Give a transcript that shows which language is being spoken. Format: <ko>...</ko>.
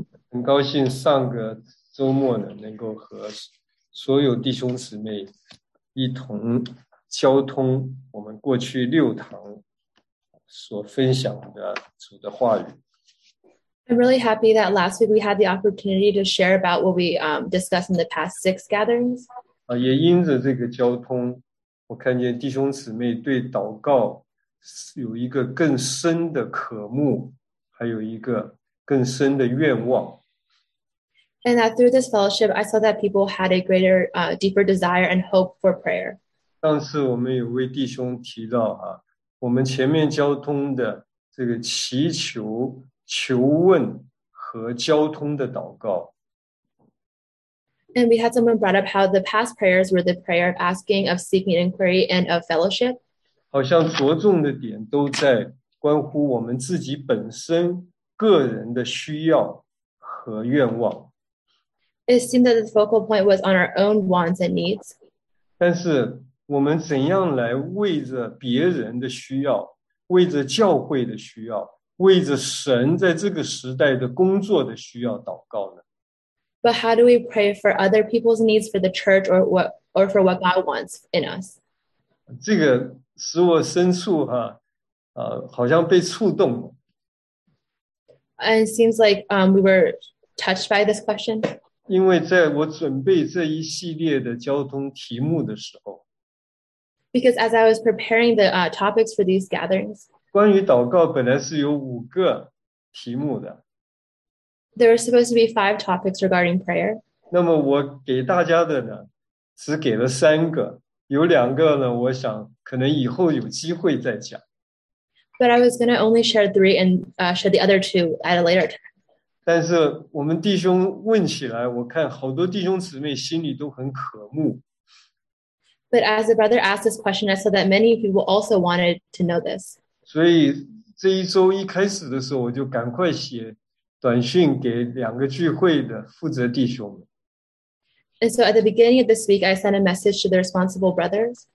<zh>很高兴上个周末呢，能够和所有弟兄姊妹一同交通我们过去六堂所分享的主的话语。</zh> <en>I'm really happy that last week we had the opportunity to share about what we discussed in the past six gatherings.</en> <zh>啊，也因着这个交通，我看见弟兄姊妹对祷告有一个更深的渴慕，还有一个更深的愿望。</zh> <en>And that through this fellowship, I saw that people had a greater, deeper desire and hope for prayer.</en> <zh>上次我们有位弟兄提到啊，我们前面交通的这个祈求、求问和交通的祷告。</zh> <en>And we had someone brought up how the past prayers were the prayer of asking, of seeking inquiry, and of fellowship.</en> <zh>好像着重的点都在关乎我们自己本身个人的需要和愿望。</zh> <en>It seemed that the focal point was on our own wants and needs.</en> <zh>但是。我们怎样来为着别人的需要，为着教会的需要，为着神在这个时代的工作的需要祷告呢？</zh> <en>But how do we pray for other people's needs for the church or for what God wants in us?</en> <zh>这个使我深处好像被触动了。</zh> <en>And it seems like we were touched by this question.</en> <zh>因为在我准备这一系列的交通题目的时候。</zh> <en>Because as I was preparing the topics for these gatherings,</en> <zh>关于祷告本来是有五个题目的，</zh> <en>there were supposed to be five topics regarding prayer.</en> <zh>那么我给大家的呢，只给了三个，有两个呢，我想可能以后有机会再讲。</zh> <en>But I was going to only share three and share the other two at a later time.</en> <zh>但是我们弟兄问起来，我看好多弟兄姊妹心里都很渴慕。</zh> <en>But as the brother asked this question, I saw that many people also wanted to know this.</en> <zh>所以这一周一开始的时候，我就赶快写短信给两个聚会的负责弟兄们。</zh> <en>And so at the beginning of this week, I sent a message to the responsible brothers.</en>